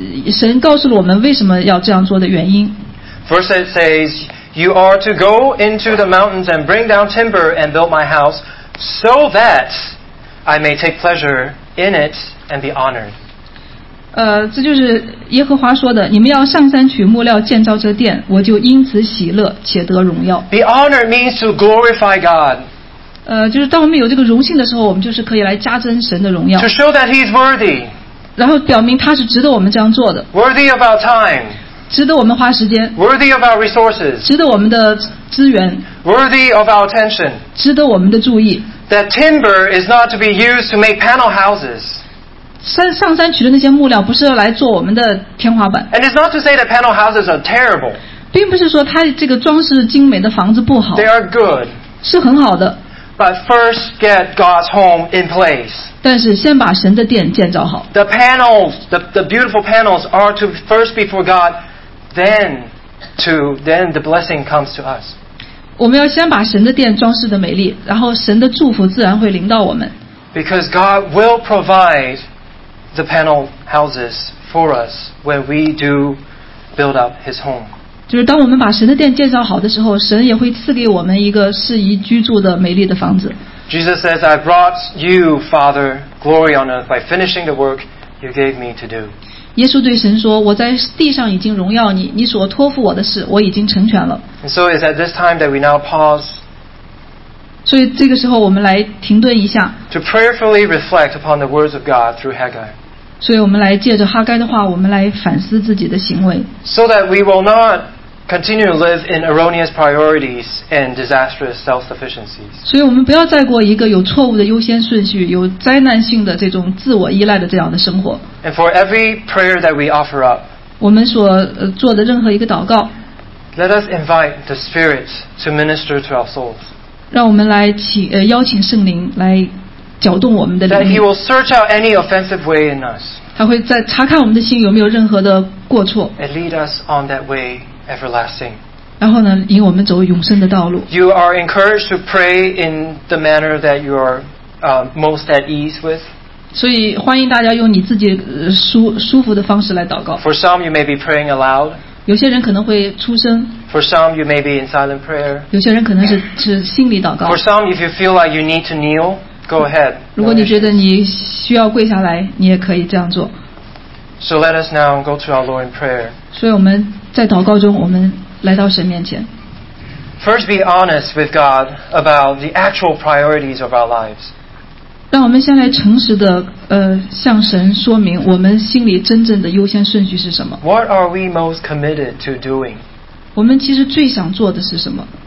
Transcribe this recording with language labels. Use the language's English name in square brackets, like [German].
[Chinese] 神告诉了我们为什么要这样做的原因。 [English] First it says, you are to go into the mountains and bring down timber and build my house, so that I may take pleasure in it and be honored. [Chinese] 这就是耶和华说的，你们要上山取木料建造这殿，我就因此喜乐且得荣耀。 [English] Be honored means to glorify God. [Chinese] 就是当我们有这个荣幸的时候，我们就是可以来加增神的荣耀。 [English] To show that He's worthy. [Chinese] 然后表明他是值得我们这样做的。 [English] Worthy of our time. [Chinese] 值得我们花时间。 [English] Worthy of our resources. [Chinese] 值得我们的资源。 [English] Worthy of our attention. [Chinese] 值得我们的注意。 [English] That timber is not to be used to make panel houses. [Chinese] 上山取的那些木料不是来做我们的天花板。 [English] And it's not to say that panel houses are terrible. [Chinese] 并不是说它这个装饰精美的房子不好。 [English] They are good. [Chinese] 是很好的。 [English] But first, get God's home in place. [Chinese] 但是先把神的殿建造好。 [English] The panels, the beautiful panels, are to first be for God, then the blessing comes to us. [Chinese] 我们要先把神的殿装饰得美丽，然后神的祝福自然会临到我们。 [English] Because God will provide the panel houses for us when we do build up His home. [Chinese] 就是当我们把神的殿建造好的时候，神也会赐给我们一个适宜居住的美丽的房子。 [English] Jesus says, "I brought you, Father, glory on earth by finishing the work you gave me to do." [Chinese] 耶稣对神说，我在地上已经荣耀你，你所托付我的事我已经成全了。 [English] And so it's at this time that we now pause. [Chinese] 所以这个时候我们来停顿一下。 [English] To prayerfully reflect upon the words of God through Haggai. [Chinese] 所以我们来借着哈该的话，我们来反思自己的行为。 [English] So that we will not continue to live in erroneous priorities and disastrous self-sufficiencies. [Chinese] 所以我们不要再过一个有错误的优先顺序，有灾难性的这种自我依赖的这样的生活。 [English] And for every prayer that we offer up, [Chinese] 我们所做的任何一个祷告， [English] let us invite the Spirit to minister to our souls. [Chinese] 让我们来邀请圣灵来搅动我们的灵 [English] 命。That He will search out any offensive way in us. [Chinese] 他会在查看我们的心有没有任何的过错。 [English] And lead us on that way. Everlasting. [Chinese] 然后呢，引我们走永生的道路。 [English] You are encouraged to pray in the manner that you are most at ease with. [Chinese] 所以欢迎大家用你自己舒服的方式来祷告。 [English] For some, you may be praying aloud. [Chinese] 有些人可能会出声。 [English] For some, you may be in silent prayer. [Chinese] 有些人可能是心里祷告。 [English] For some, if you feel like you need to kneel, go ahead. [Chinese] 如果你觉得你需要跪下来，你也可以这样做。 [English] So let us now go to our Lord in prayer. [Chinese] 所以我们在祷告中，我们来到神面前。 [English] First, be honest with God about the actual priorities of our lives. [Chinese] 让我们先来诚实的向神说明我们心里真正的优先顺序是什么。 [English] What are we most committed to doing? [Chinese] 我们其实最想做的是什么？